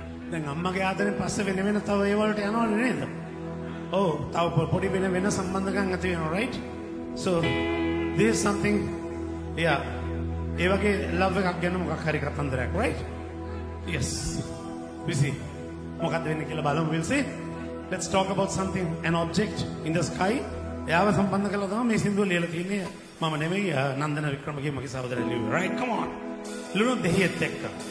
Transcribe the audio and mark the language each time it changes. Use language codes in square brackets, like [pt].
[si] දැන් අම්මගේ ආදරෙන් පස්සේ වෙන වෙන තව ඒ වලට යනවලු නේද? ඔව්, තව පොඩි වෙන වෙන සම්බන්ධකම් ඇති වෙනවා, [en] right? So there's something, yeah, [si] ඒ වගේ ලව් එකක් ගන්න මොකක් හරි කතන්දරයක්, [en] right? Yes. We see. [si] මොකක්ද වෙන්නේ කියලා බලමු, [en] we'll see. Let's talk about something, an object in the sky. [si] එයාව සම්බන්ධ කළා තමයි මේ සින්දුව ලියලා තියෙන්නේ. මම නෙමෙයි නන්දන වික්‍රමගේ මගේ සහෝදරයා ලියුවේ, [en] right? Come on. [si] ලුණු දෙහිත් එක්ක.